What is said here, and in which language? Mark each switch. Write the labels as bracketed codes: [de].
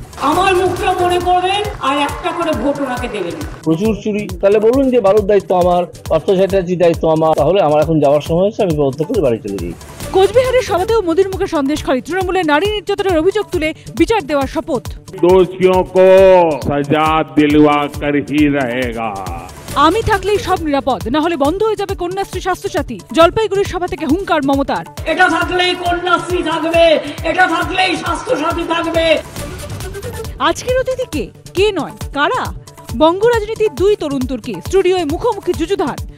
[bn] আমার মুখটা মনে করবেন আর একটা করে ভোট ওনাকে দেবেন। প্রচুর চুরি, তাহলে বলুন যে বারুদ দায়িত্ব আমার, অর্থ চ্যাটার্জির দায়িত্ব আমার, তাহলে আমার এখন যাওয়ার সময় হয়েছে, আমি বদ্ধ করে বাড়ি চলে যাই। কোচবিহারের সভাতেও মোদীর মুখে সন্দেশ খালি, তৃণমূলে নারী নির্যাতনের অভিযোগ তুলে বিচার দেওয়ার শপথ। [hi] দোষীয়ों को सजा दिलवा कर ही रहेगा। [bn] আমি থাকলেই সব নিরাপদ, না হলে বন্ধ হয়ে যাবে কন্যাশ্রী স্বাস্থ্যসাথী। জলপাইগুড়ির সভা থেকে হুঙ্কার মমতার, এটা থাকলেই কন্যাশ্রী থাকবে, এটা থাকলেই স্বাস্থ্যসাথী থাকবে। আজকের অতিথি কে, কে নয়, কারা? বঙ্গ রাজনীতির দুই তরুণ তুর্কি স্টুডিওয়ে মুখোমুখি যুযুধার।